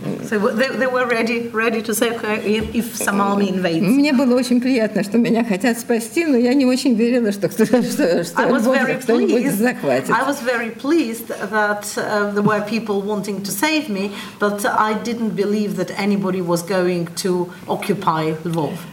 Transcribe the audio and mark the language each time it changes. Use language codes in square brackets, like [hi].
[en] So they were ready to save her if some army invades. [ru] Мне было очень приятно, что меня хотят спасти, но я не очень верила, что кто-нибудь захватит. [en] I was very pleased that there were people wanting to save me, but I didn't believe that anybody was going to occupy Lvov.